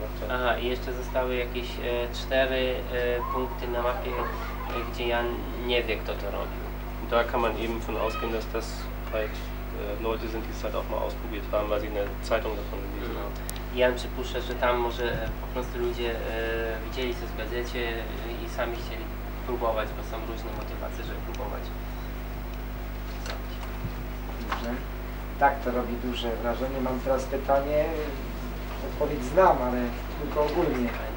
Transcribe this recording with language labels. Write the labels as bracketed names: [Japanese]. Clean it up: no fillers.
[Polish] Aha, i jeszcze zostały jakieś cztery punkty na mapie, gdzie ja nie wiem, kto to robił. [German] Da kann man eben von ausgehen, dass das halt Leute sind, die es halt auch mal ausprobiert haben, weil sie eine Zeitung davon gelesen haben. [Polish] Ja przypuszczę, że tam może po prostu ludzie widzieli coś w gazecie i sami chcieli próbować, bo są różne motywacje, żeby próbować. Dobrze. Tak, to robi duże wrażenie. Mam teraz pytanie. Odpowiedź znam, ale tylko ogólnie.